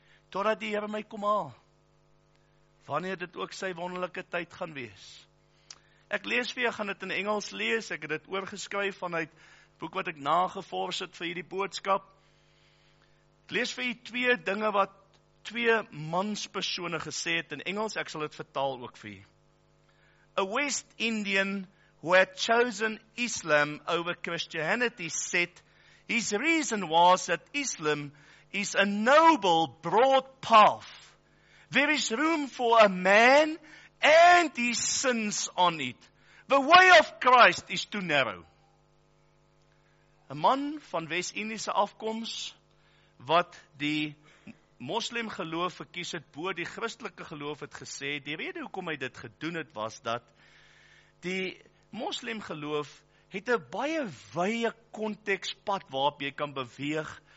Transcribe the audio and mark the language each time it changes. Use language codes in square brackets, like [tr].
[af] Totdat die Here my kom haal. Wanneer dit ook sy wonderlike tyd gaan wees. Ek lees vir jou, gaan dit in Engels lees. Ek het dit oorgeskryf vanuit boek wat ek nagevors het vir hierdie boodskap. Ek lees vir jou twee dinge wat twee manspersone gesê het in Engels, ek sal dit vertaal ook vir jy. [en] A West Indian who had chosen Islam over Christianity said, his reason was that Islam is a noble broad path. There is room for a man and his sins on it. The way of Christ is too narrow. [af] A man van West-Indiese afkoms, wat die Moslim geloof verkies het bo die Christelike geloof het gesê, die rede hoekom hy dit gedoen het was dat die Moslim geloof het 'n baie wye kontekspad waarop jy kan beweeg.